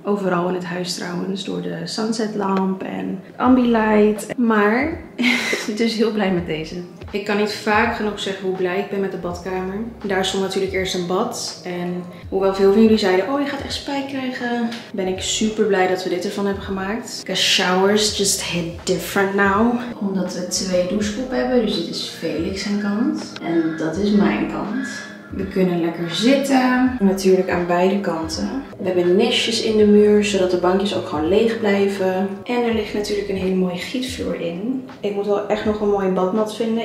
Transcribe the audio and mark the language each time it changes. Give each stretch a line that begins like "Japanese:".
Dutch: Overal in het huis trouwens, door de sunsetlamp en ambilight. Maar dus heel blij met deze. Ik kan niet vaak genoeg zeggen hoe blij ik ben met de badkamer. Daar stond natuurlijk eerst een bad. En hoewel veel van jullie zeiden, oh je gaat echt spijt krijgen, ben ik super blij dat we dit ervan hebben gemaakt.
English: The showers just hit different now.
Dutch: Omdat we twee douchekoppen hebben, dus dit is Felix zijn kant. En dat is mijn kant. We kunnen lekker zitten. Natuurlijk aan beide kanten. We hebben nestjes in de muur, zodat de bankjes ook gewoon leeg blijven. En er ligt natuurlijk een hele mooie gietvloer in. Ik moet wel echt nog een mooie badmat vinden.